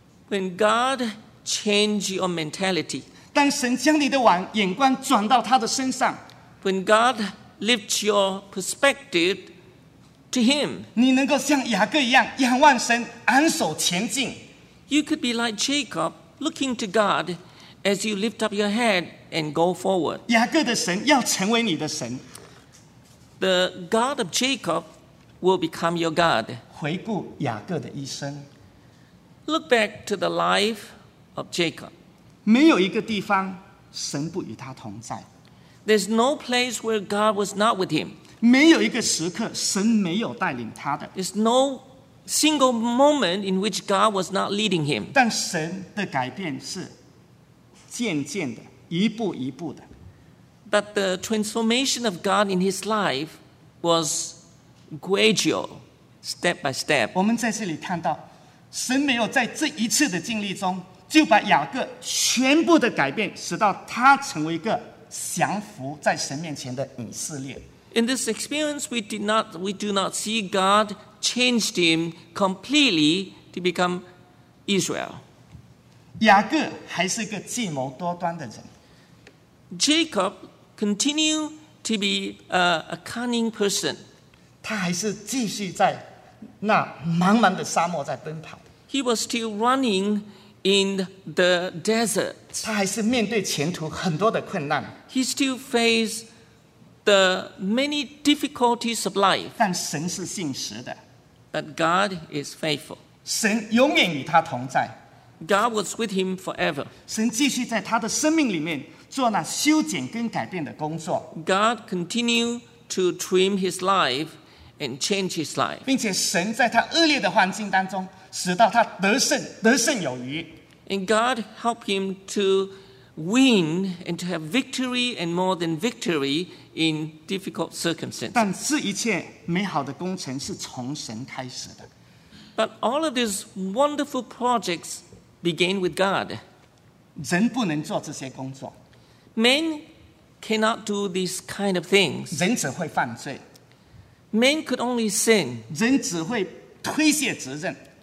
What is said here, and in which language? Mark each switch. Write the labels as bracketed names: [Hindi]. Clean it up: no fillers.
[English] When God change your mentality. [Chinese] 当神将你的眼光转到他的身上。 [English] When God lift your perspective to Him. [Chinese] 你能够像雅各一样仰望神，昂首前进。 [English] You could be like Jacob, looking to God as you lift up your head and go forward. [Chinese] 雅各的神要成为你的神。 [English] The God of Jacob will become your God. [Chinese] 回顾雅各的一生。 [English] Look back to the life of Jacob. [Chinese] 没有一个地方神不与他同在。 [English] There's no place where God was not with him. [Chinese] 没有一个时刻神没有带领他的。 [English] There's no single moment in which God was not leading him. [Chinese] 但神的改变是渐渐的，一步一步的。 [English] But the transformation of God in his life was gradual, step by step. [Chinese] 我们在这里看到，神没有在这一次的经历中就把雅各全部的改变，使到他成为一个降服在神面前的以色列。 [English] In this experience, we do not see God changed him completely to become Israel. [Chinese] 雅各还是一个计谋多端的人。 [English] Jacob. Continue to be a cunning person. [Chinese] 他还是继续在那茫茫的沙漠在奔跑。 [English] He was still running in the desert. [Chinese] 他还是面对前途很多的困难。 [English] He still faced the many difficulties of life. [Chinese] 但神是信实的。 [English] But God is faithful. [Chinese] 神永远与他同在。 [English] God was with him forever. [Chinese] 神继续在他的生命里面做那修剪跟改变的工作。 [English] God continued to trim his life and change his life. [Chinese] 并且神在他恶劣的环境当中，使到他得胜有余。 [English] And God helped him to win and to have victory and more than victory in difficult circumstances. [Chinese] 但这一切美好的工程是从神开始的。 [English] But all of these wonderful projects began with God. [Chinese] 人不能做这些工作。 [English] Men cannot do these kind of things. [Chinese] 人只会犯罪。 [English] Men could only sin. [Chinese] 人只会推卸责任。